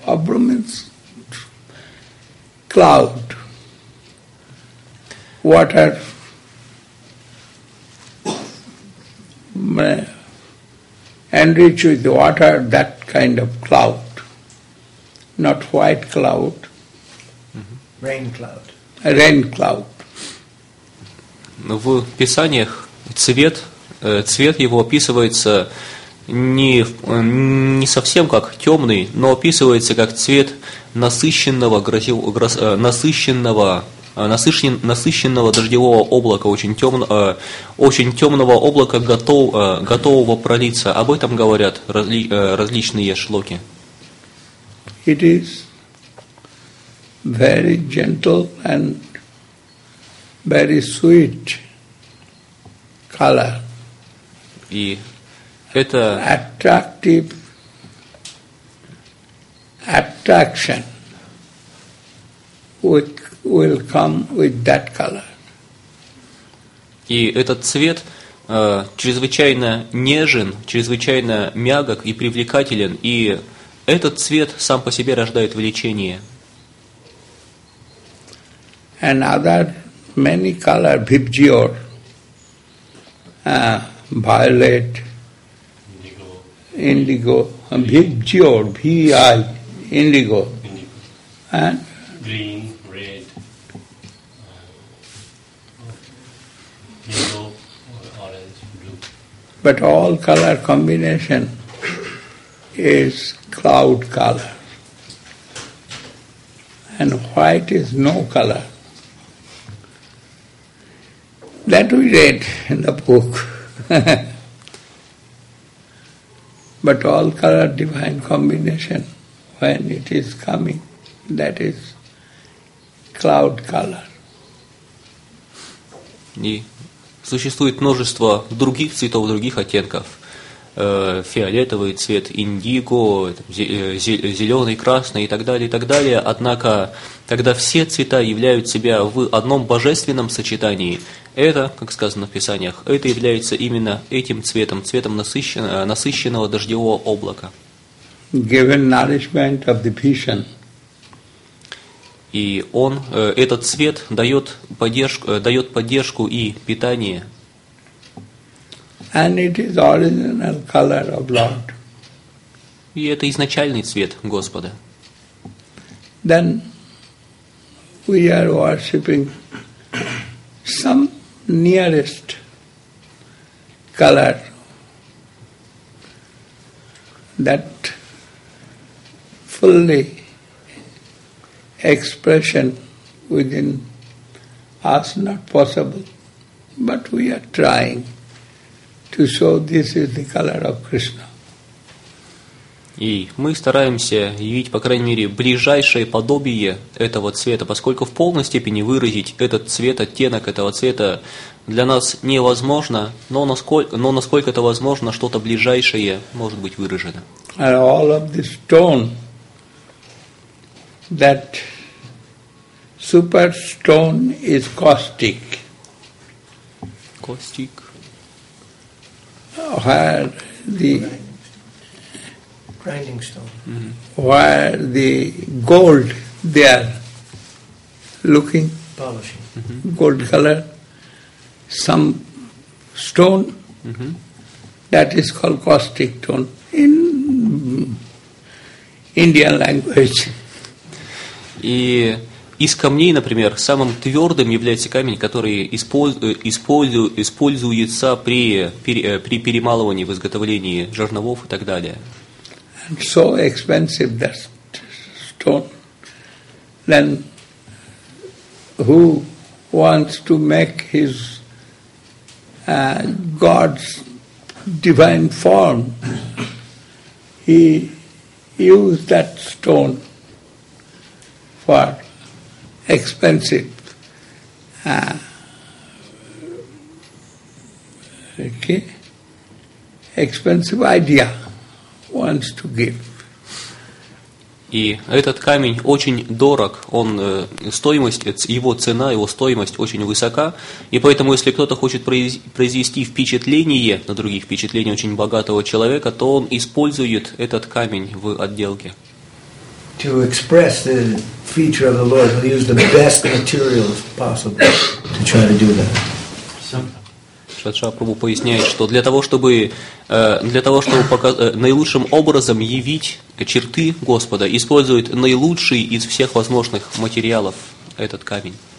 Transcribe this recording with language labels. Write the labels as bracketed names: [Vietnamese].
[English] Abhra means cloud, water, enriched with water, that kind of cloud, not white cloud. Mm-hmm. Rain cloud. Rain cloud. [Russian] Ну, в писаниях цвет его описывается не совсем как темный, но описывается как цвет насыщенного дождевого облака, очень темного облака, готового пролиться. Об этом говорят различные шлоки. [English] It is very gentle and very sweet color. [Russian] И это [English] attractive attraction will come with that color. [Russian] И этот цвет чрезвычайно нежен, чрезвычайно мягок и привлекателен, и этот цвет сам по себе рождает влечение. [English] And other many color, bhibjyor, violet, indigo, bhibjyor, bhi, indigo, and green, red, yellow, orange, blue. But all color combination is cloud color, and white is no color. That we read in the book. But all color divine combination, when it is coming, that is cloud color. [Russian] И существует множество других цветов, других оттенков. Фиолетовый цвет, индиго, зеленый, красный и так далее, однако, когда все цвета являют себя в одном божественном сочетании, это, как сказано в Писаниях, это является именно этим цветом, цветом насыщенного дождевого облака. [English] Given nourishment of the vision. [Russian] И он, этот цвет дает поддержку и питание. [English] And it is original color of Lord. [Russian] И это изначальный цвет Господа. [English] Then we are worshipping some nearest color that fully expression within us not possible, but we are trying to show this is the color of Krishna. [Russian] И мы стараемся явить, по крайней мере, ближайшее подобие этого цвета, поскольку в полной степени выразить этот цвет, оттенок этого цвета для нас невозможно, но насколько это возможно, что-то ближайшее может быть выражено. [English] And all of the stone, that super stone is caustic. Caustic. Where the grinding stone, mm-hmm. where the gold they are looking, polishing, mm-hmm. gold color, some stone, mm-hmm. that is called caustic stone in Indian language. [Russian] И из камней, например, самым твердым является камень, который используется при перемалывании, в изготовлении жерновов и так далее. [English] And so expensive that stone. Then who wants to make his God's divine form? He used that stone for expensive expensive idea wants to give. [Russian] И этот камень очень дорог, он стоимость, его цена, его стоимость очень высока, и поэтому, если кто-то хочет произвести впечатление на других, впечатление очень богатого человека, то он использует этот камень в отделке. [English] To express the feature of the Lord, he'll use the best materials possible to try to do that. [Russian] Шадша Прабху поясняет, что для того, чтобы наилучшим образом явить черты Господа, использует наилучший из всех возможных материалов этот камень.